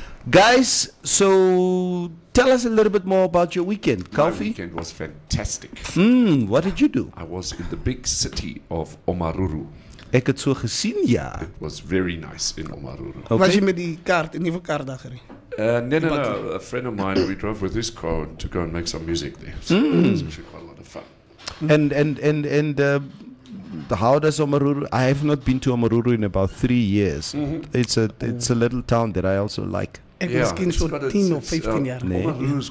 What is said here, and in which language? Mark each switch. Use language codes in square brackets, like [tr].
[en] Guys, so tell us a little bit more about your weekend. Kaufi? My weekend was fantastic. What did you do? I was in the big city of Omaruru. [af] Ek het so gesien, ja. [en] It was very nice in Omaruru. Okay. [af] Was jy met die kaart, die nuwe kaart daar gery? [en] No. A friend of mine, we drove with his car to go and make some music there. So it was actually quite a lot of fun. How does Omaruru? I have not been to Omaruru in about 3 years. Mm-hmm. It's a little town that I also like. Omaruru's